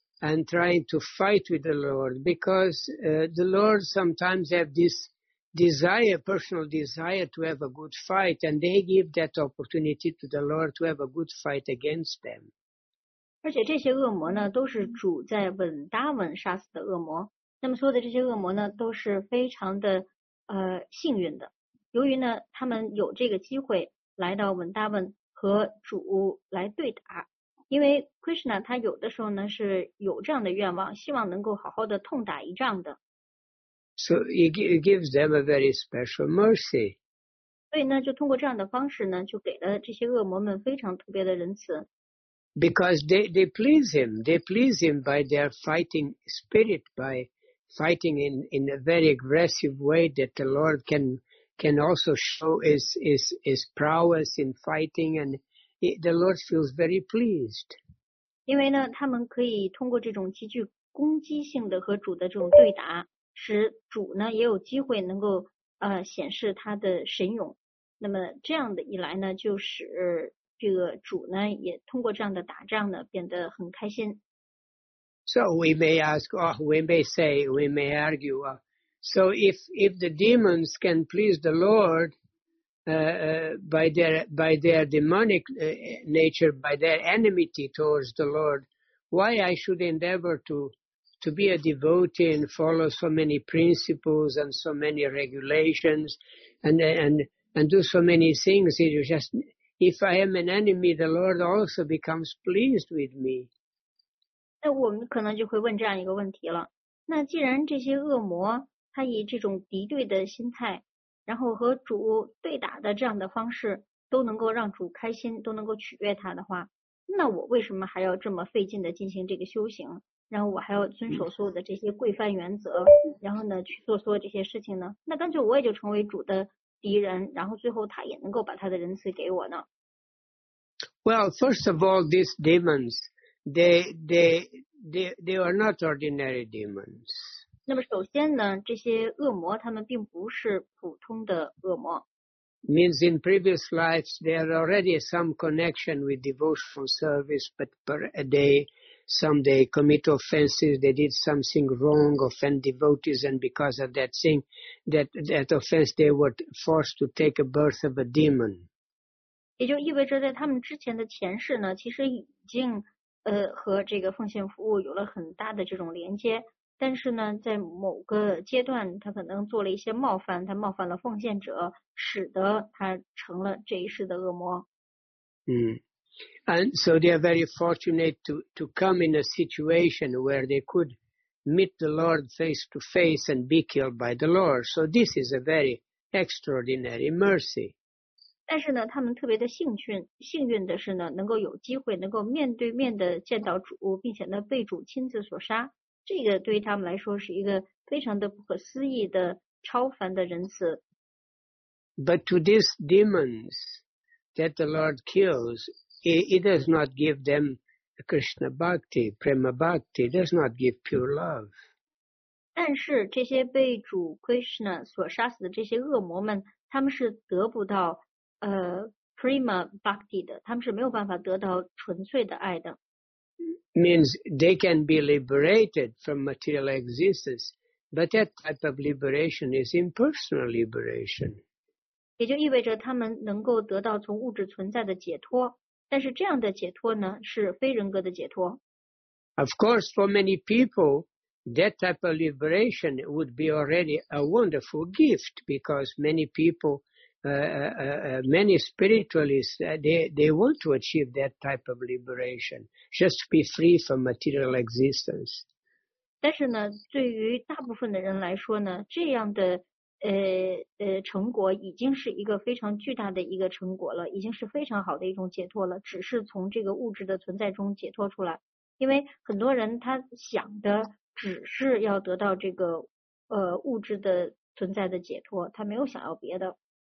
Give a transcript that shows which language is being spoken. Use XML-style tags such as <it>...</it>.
<en>and trying to fight with the Lord, because the Lord sometimes have this desire, personal desire, to have a good fight, and they give that opportunity to the Lord to have a good fight against them.</en> <zh>而且这些恶魔呢，都是主在稳搭稳杀死的恶魔。那么所有的这些恶魔呢，都是非常的幸运的。由于呢，他们有这个机会来到稳搭稳和主来对打。因为 Krishna 他有的时候呢是有这样的愿望，希望能够好好的痛打一仗的。</zh> <en>So he gives them a very special mercy.</en> <zh>所以呢，就通过这样的方式呢，就给了这些恶魔们非常特别的仁慈。</zh> <en>Because they please him. They please him by their fighting spirit, by fighting in a very aggressive way that the Lord can also show his prowess in fighting, and the Lord feels very pleased.</en> <zh>因为呢，他们可以通过这种极具攻击性的和主的这种对打，使主呢也有机会能够显示他的神勇。那么这样的一来呢，就使这个主呢也通过这样的打仗呢变得很开心。</zh> <en>So we may ask, or we may say, we may argue, so if the demons can please the Lord by their demonic nature, by their enmity towards the Lord, why I should endeavor to be a devotee and follow so many principles and so many regulations and do so many things? It is just, if I am an enemy, the Lord also becomes pleased with me.</en> <zh>那我们可能就会问这样一个问题了，那既然这些恶魔他以这种敌对的心态然后和主对打的这样的方式都能够让主开心，都能够取悦他的话，那我为什么还要这么费劲的进行这个修行，然后我还要遵守所有的这些规范原则，然后呢去做所有这些事情呢？那干脆我也就成为主的敌人，然后最后他也能够把他的仁慈给我呢。</zh> <en>Well, first of all, these demons, they are not ordinary demons.</en> <zh>那么首先呢，这些恶魔他们并不是普通的恶魔。</zh> <en>Means in previous lives there are already some connection with devotional service, but per a day. Some they commit offenses, they did something wrong, offend devotees, and because of that thing, that offense, they were forced to take a birth of a demon.</en> <zh>也就意味着在他们之前的前世呢，其实已经和这个奉献服务有了很大的这种连接，但是呢，在某个阶段，他可能做了一些冒犯，他冒犯了奉献者，使得他成了这一世的恶魔。嗯。</zh> <en>And so they are very fortunate to come in a situation where they could meet the Lord face to face and be killed by the Lord. So this is a very extraordinary mercy.</en> <zh>但是呢，他们特别的幸运的是呢，能够有机会能够面对面的见到主，并且呢被主亲自所杀。这个对于他们来说是一个非常的不可思议的超凡的仁慈。</zh> <en>But to these demons that the Lord kills,He does not give them Krishna Bhakti, Prema Bhakti, does not give pure love.</en> <zh>但是这些被主 Krishna 所杀死的这些恶魔们，他们是得不到Prema Bhakti 的，他们是没有办法得到纯粹的爱的。</zh> <en>Means they can be liberated from material existence, but that type of liberation is impersonal liberation.</en> <zh>也就意味着他们能够得到从物质存在的解脱。但是这样的解脱呢，是非人格的解脱。</zh> <en>Of course, for many people, that type of liberation would be already a wonderful gift, because many people, many spiritualists, they want to achieve that type of liberation, just to be free from material existence.</en> <zh>但是呢，对于大部分的人来说呢，这样的成果已经是一个非常巨大的一个成果了，已经是非常好的一种解脱了，只是从这个物质的存在中解脱出来。因为很多人他想的只是要得到这个物质的存在的解脱，他没有想要别的。</zh>